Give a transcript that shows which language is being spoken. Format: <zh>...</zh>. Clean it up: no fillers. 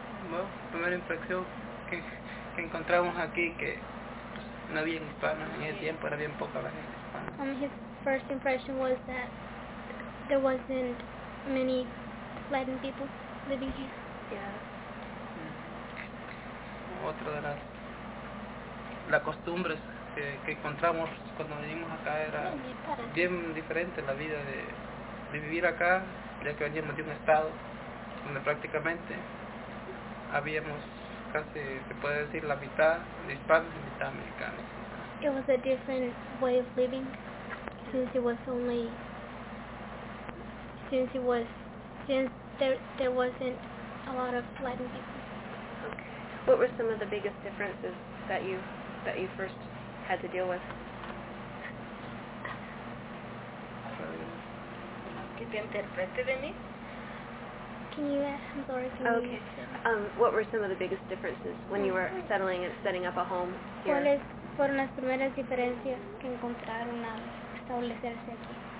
<es>Bueno, primera impresión que encontramos aquí, que pues, no había hispanos en ese tiempo, era bien poca la gente hispana.</es> <en>His first impression was that there wasn't many Latin people living here. Yeah.</en> <es>Otra de las costumbres que encontramos cuando venimos acá era bien diferente la vida de vivir acá, ya que veníamos de un estado donde prácticamente habíamos casi, se puede decir, la mitad de hispanos y mitad americanos.</es> <en>It was a different way of living, since there wasn't a lot of Latin people. Okay. What were some of the biggest differences that you first had to deal with?</en> <es>Que te interprete de mí.</es> <en>Can you ask Laura to me? Okay. What were some of the biggest differences when you were settling and setting up a home here?</en> <es>¿Cuáles fueron las primeras diferencias que encontraron al establecerse aquí?</es>